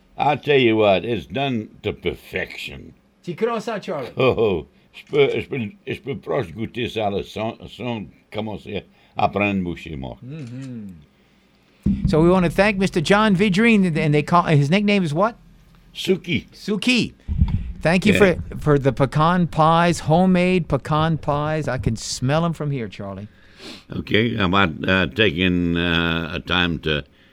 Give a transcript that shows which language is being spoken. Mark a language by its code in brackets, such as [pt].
[en] I'll tell you what, it's done to perfection. [fr] Tu crois ça, Charlie? Oh, je peux proche goûter ça sans commencer à prendre bouchée, moi. [en] So we want to thank Mr. John Vidrine, and they call his nickname is what? Suki. Suki. Thank you for the pecan pies, homemade pecan pies. I can smell them from here, Charlie. Okay, I'm about taking a time to...